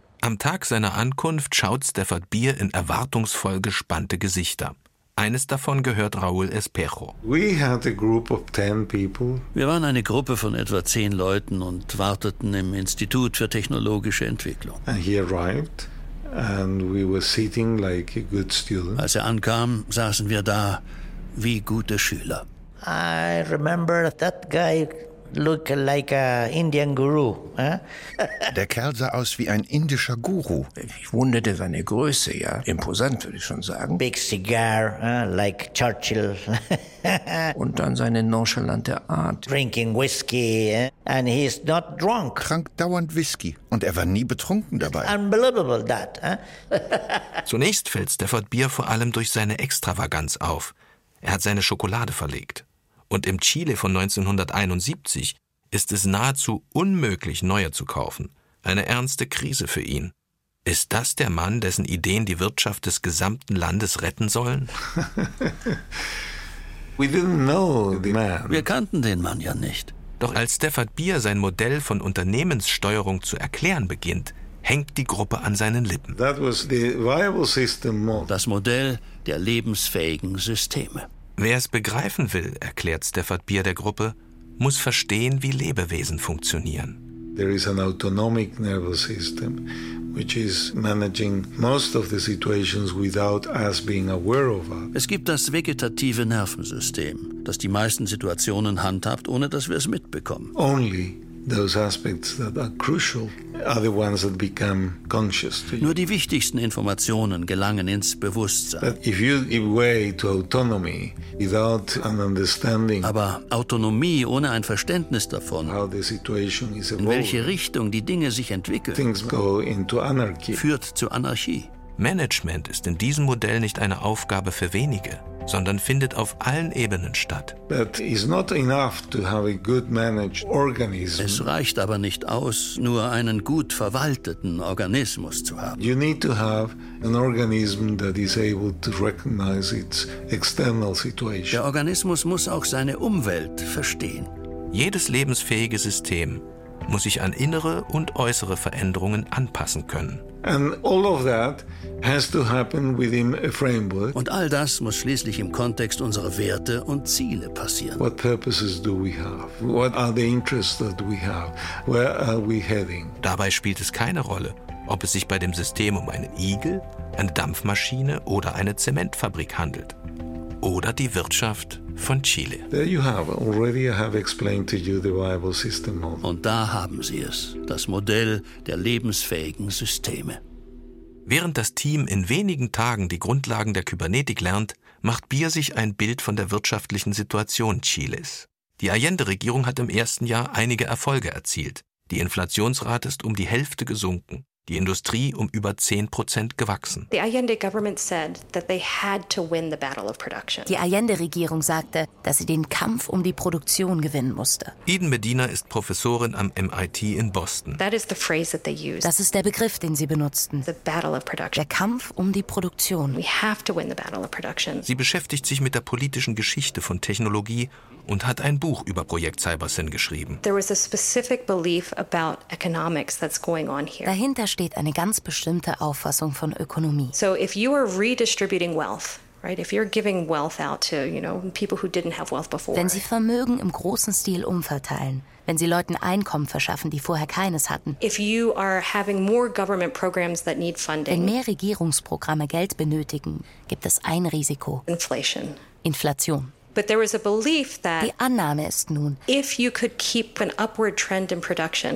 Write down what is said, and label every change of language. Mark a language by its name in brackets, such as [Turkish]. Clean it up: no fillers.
[German] Am Tag seiner Ankunft schaut Stafford Beer in erwartungsvoll gespannte Gesichter. Eines davon gehört Raúl Espejo. [English] We had a group of 10 people. [German] Wir waren eine Gruppe von etwa 10 Leuten und warteten im Institut für technologische Entwicklung. [English] And he arrived. And we were sitting like a good student. [German] Als er ankam, saßen wir da wie gute Schüler. [English] I remember that guy looked like an Indian guru. [German] Der Kerl sah aus wie ein indischer Guru. Ich wunderte seine Größe, ja. Imposant, würde ich schon sagen. [English] Big cigar, like Churchill. [German] Und dann seine nonchalante Art. [English] Drinking whiskey, and he's not drunk. [German] Trank dauernd Whisky und er war nie betrunken dabei. [English] It's unbelievable, that. [German] Zunächst fällt Stafford Beer vor allem durch seine Extravaganz auf. Er hat seine Schokolade verlegt. Und im Chile von 1971 ist es nahezu unmöglich, neue zu kaufen. Eine ernste Krise für ihn. Ist das der Mann, dessen Ideen die Wirtschaft des gesamten Landes retten sollen? [English] We didn't know the man. [German] Wir kannten den Mann ja nicht. Doch als Stafford Beer sein Modell von Unternehmenssteuerung zu erklären beginnt, hängt die Gruppe an seinen Lippen. [English] That was the viable system model. [German] Das Modell der lebensfähigen Systeme. Wer es begreifen will, erklärt Stafford Beer der Gruppe, muss verstehen, wie Lebewesen funktionieren. [English] There is an autonomic nervous system, which is managing most of the situations without us being aware of it. [German] Es gibt das vegetative Nervensystem, das die meisten Situationen handhabt, ohne dass wir es mitbekommen. [English] Only those aspects that are crucial are the ones that become conscious to you. [German] Nur die wichtigsten Informationen gelangen ins Bewusstsein. [English] But if you give way to autonomy without an understanding, [German] aber Autonomie ohne ein Verständnis davon, [English] how the situation is evolving, [German] in welche Richtung die Dinge sich entwickeln, [English] things go into anarchy. [German] Führt zu Anarchie. Management ist in diesem Modell nicht eine Aufgabe für wenige, sondern findet auf allen Ebenen statt. [English] But it's not enough to have a good managed organism. [German] Es reicht aber nicht aus, nur einen gut verwalteten Organismus zu haben. [English] You need to have an organism that is able to recognize its external situation. [German] Der Organismus muss auch seine Umwelt verstehen. Jedes lebensfähige System muss sich an innere und äußere Veränderungen anpassen können. [English] And all of that has to happen within a framework. [German] Und all das muss schließlich im Kontext unserer Werte und Ziele passieren. [English] What purposes do we have? What are the interests that we have? Where are we heading? [German] Dabei spielt es keine Rolle, ob es sich bei dem System um einen Igel, eine Dampfmaschine oder eine Zementfabrik handelt. Oder die Wirtschaft von Chile. [English] There you have. Already I have explained to you the viable system model. [German] Und da haben Sie es, das Modell der lebensfähigen Systeme. Während das Team in wenigen Tagen die Grundlagen der Kybernetik lernt, macht Beer sich ein Bild von der wirtschaftlichen Situation Chiles. Die Allende-Regierung hat im ersten Jahr einige Erfolge erzielt. Die Inflationsrate ist um die Hälfte gesunken. Die Industrie um über 10% gewachsen. Die Allende-Regierung sagte, dass sie den Kampf um die Produktion gewinnen musste. Eden Medina ist Professorin am MIT in Boston. [English] That is the phrase that they use. [German] Das ist der Begriff, den sie benutzten. [English] The battle of production. [German] Der Kampf um die Produktion. [English] We have to win the battle of production. [German] Sie beschäftigt sich mit der politischen Geschichte von Technologie und hat ein Buch über Projekt CyberSyn geschrieben. [English] There was a specific belief about economics that's going on here. [German] Dahinter steht eine ganz bestimmte Auffassung von Ökonomie. [English] So if you are redistributing wealth, right? If you're giving wealth out to, you know, people who didn't have wealth before. [German] Wenn Sie Vermögen im großen Stil umverteilen, wenn Sie Leuten Einkommen verschaffen, die vorher keines hatten. [English] If you are having more government programs that need funding. [German] Wenn mehr Regierungsprogramme Geld benötigen, gibt es ein Risiko. [English] Inflation. [German] Inflation. [English] But there was a belief that [German] die Annahme ist nun, [English] if you could keep an upward trend in production,